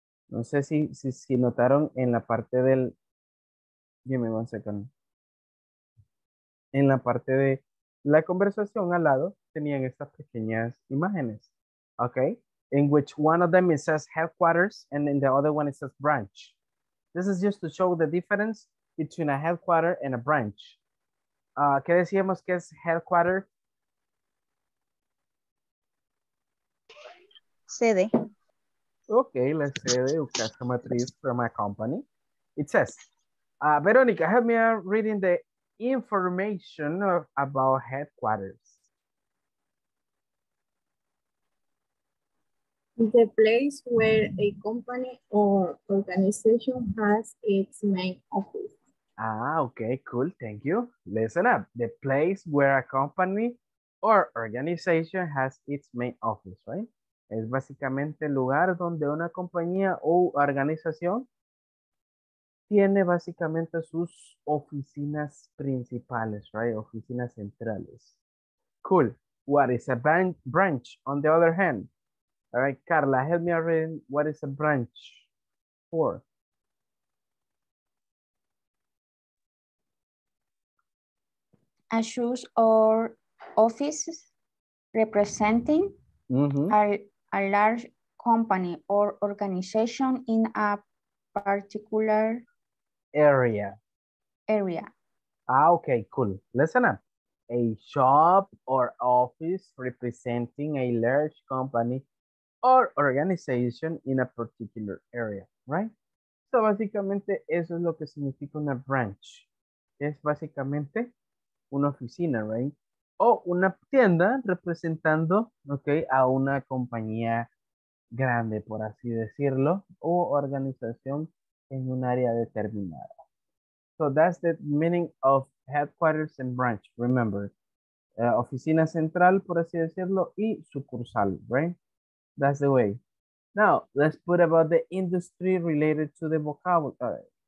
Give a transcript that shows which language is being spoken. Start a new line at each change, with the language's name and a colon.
Spanish: No sé si notaron en la parte del.
English: Give me 1 second.
Spanish: En la parte de la conversación al lado tenían estas pequeñas imágenes.
English: Okay. In which one of them it says headquarters and in the other one it says branch. This is just to show the difference between a headquarter and a branch.
Spanish: ¿Qué decíamos que es headquarter? Sede. Okay, la sede o casa matriz
English: from my company. It says, Veronica, help me out reading the information about headquarters. The place where a company or organization has its main office. Okay, cool. Thank you. Listen up. The place where a company or organization has its main office, right?
Spanish: Es básicamente el lugar donde una compañía o organización tiene básicamente sus oficinas principales, right? Oficinas centrales. Cool.
English: What is a branch on the other hand? All right, Carla, help me read. What is a branch for? A shoes or offices representing a large company or organization in a particular area. Okay, cool. Listen up. A shop or office representing a large company or organization in a particular area, right?
Spanish: So básicamente eso es lo que significa una branch. Es básicamente una oficina, right? O una tienda representando, okay, a una compañía grande, por así decirlo, o organización en un área determinada.
English: So that's the meaning of headquarters and branch, remember.
Spanish: Oficina central, por así decirlo, y sucursal, right?
English: That's the way. Now, let's put about the industry related to the vocabulary.